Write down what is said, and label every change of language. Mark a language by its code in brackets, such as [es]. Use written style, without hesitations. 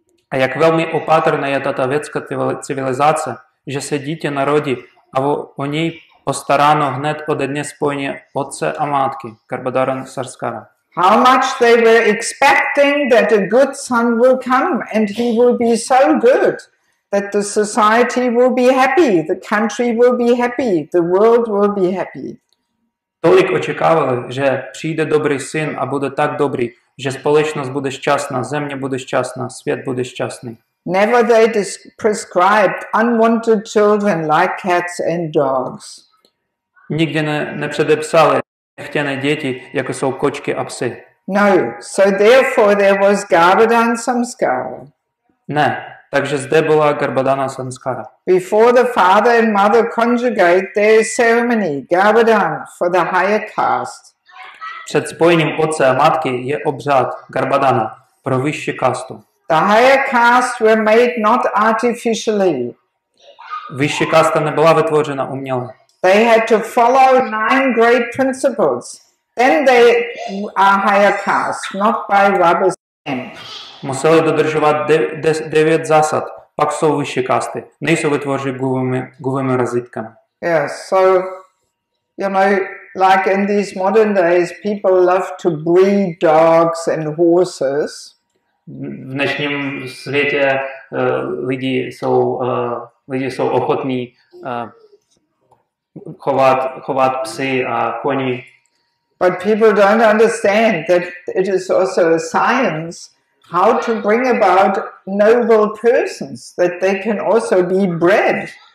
[cs] A jak velmi opatrná je tato vědská civilizace, že se dítě narodí a o něj postaráno hned ode dne spojení otce a matky, Garbhadharan Sarskara. [en] How much they were expecting that a good son will come and he will be so good that the society will be happy, the country will be happy, the world will be happy. [cs] Tolik očekávali, že přijde dobrý syn a bude tak dobrý, že společnost bude šťastná, země bude šťastná, svět bude šťastný. [en] Never they prescribed unwanted children like cats and dogs. [cs] Nikdy nepředepsali nechtěné děti, jako jsou kočky a psy. [en] No, so therefore there was Garbhadharan Samskara. [cs] Ne, takže zde byla Garbhadharana Samskara. [en] Before the father and mother conjugate, there is ceremony, Garbhadharan, for the higher caste. [cs] Před spojením otce a matky je obřad Garbhadharana pro vyšší kastu. [en] The higher castes were made not artificially. [cs] Vyšší kasta nebyla vytvořena uměle. [en] They had to follow nine great principles. Then they are higher caste, not by rubber stamp. [cs] Museli dodržovat devět zásad, pak jsou vyšší kasty. Nejsou vytvořeni guvými razítkami. [en] Yes, so, you know, like in these modern days, people love to breed dogs and horses. [cs] V dnešním světě lidi jsou ochotní chovat psy a koni. [en] But people don't understand that it is also a science how to bring about noble persons, that they can also be bred.